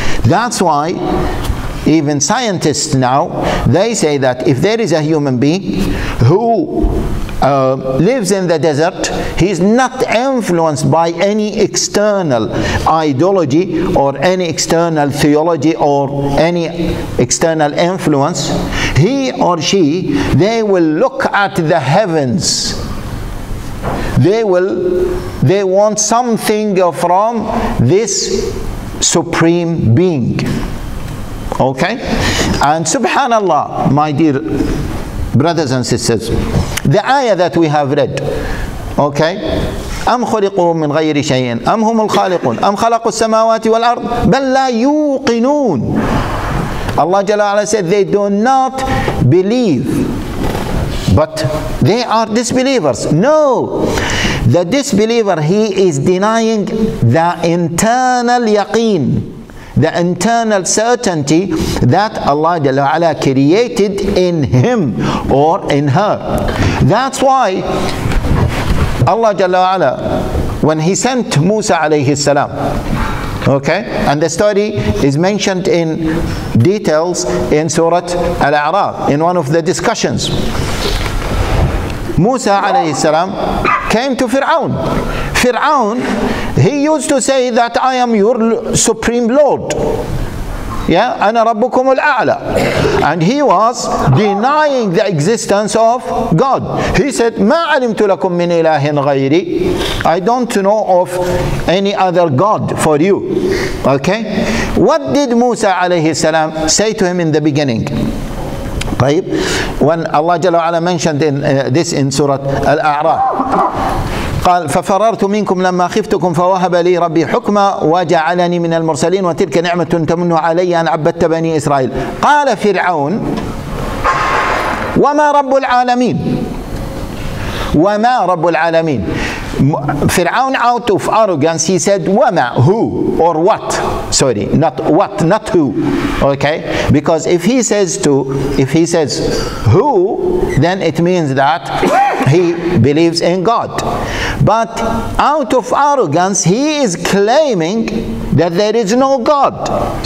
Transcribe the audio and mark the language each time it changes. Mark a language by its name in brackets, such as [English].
[English] That's why even scientists now, they say that if there is a human being who lives in the desert, he's not influenced by any external ideology or any external theology or any external influence. He or she, they will look at the heavens. They want something from this supreme being. Okay? And subhanallah, my dear brothers and sisters, the ayah that we have read, okay, [Arabic] أَمْ خُلِقُوا مِنْ غَيْرِ شَيْءٍ أَمْ هُمُ الْخَالِقُونَ أَمْ خَلَقُوا السَّمَاوَاتِ وَالْأَرْضِ بَلْ لَا يُوقِنُونَ. [English] Allah Jalla wa Ala said, they do not believe, but they are disbelievers. No, the disbeliever, he is denying the internal yaqeen, the internal certainty that Allah Jalla wa Ala created in him or in her. That's why Allah Jalla wa Ala, when he sent Musa alayhi salam, okay, and the story is mentioned in details in Surah Al-A'raf, in one of the discussions. Musa alayhi salam came to Fir'aun. Fir'aun, he used to say that I am your supreme Lord. [Arabic] Yeah, أَنَا رَبُّكُمُ الْأَعْلَى. [English] And he was denying the existence of God. He said, [Arabic] مَا عَلِمْتُ لَكُمْ مِنْ إِلَهٍ غَيْرِي. [English] I don't know of any other God for you. Okay? What did Musa alayhi salam say to him in the beginning? [Arabic] طيب, [English] when Allah Jalla wa Ala mentioned in, this in Surah Al-A'raf, [Arabic] قال ففررت منكم لما خفتكم فوهب لي ربي حكما وجعلني من المرسلين وتلك نعمة تمن علي أن عبدت بني إسرائيل. قال فرعون وما رب العالمين, وما رب العالمين. [English] فرعون out of arrogance, he said [Arabic] وما, [English] who or what, sorry, not what, not who, okay, because if he says to, if he says who, then it means that he believes in God. But out of arrogance, he is claiming that there is no God.